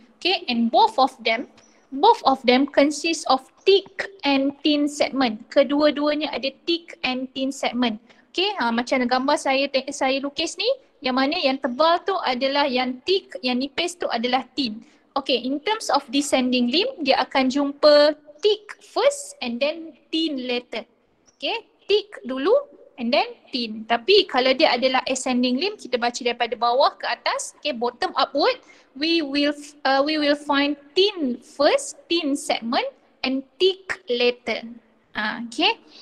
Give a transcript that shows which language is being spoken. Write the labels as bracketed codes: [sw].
[en] Okay, and both of them consist of thick and thin segment. [ms] Kedua-duanya ada thick and thin segment. Okay, macam gambar saya lukis ni, yang mana yang tebal tu adalah yang thick, yang nipis tu adalah thin. [en] Okay, in terms of descending limb, [ms] dia akan jumpa [en] thick first and then thin later. Okay, thick [ms] dulu [en] and then thin. [ms] Tapi kalau dia adalah ascending limb, kita baca daripada bawah ke atas, [en] okay, bottom upward, we will find thin first, thin segment and thick later. Okay.